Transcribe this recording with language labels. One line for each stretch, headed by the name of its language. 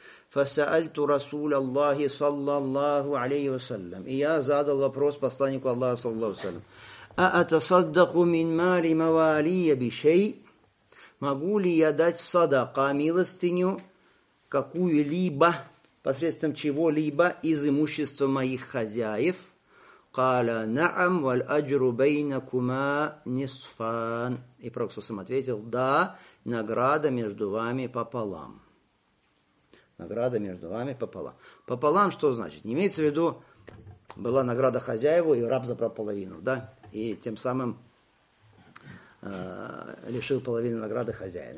Arabic: Фасаальту Расул Аллахи, саллаллаху алейхи вассалям,
Russian: и я задал вопрос посланнику Аллаха, саллаллаху вассалям,
Arabic: а атасаддаку мин мали мавалия бишей,
Russian: могу ли я дать садака, милостыню, какую-либо, посредством чего-либо из имущества моих хозяев?
Arabic: قال نعم والأجر بينكما نصفان.
Russian: И пророк Сусам ответил: да, награда между вами пополам. Награда между вами пополам. Пополам что значит? Не имеется в виду была награда хозяеву и раб забрал половину, да? И тем самым лишил половину награды хозяина.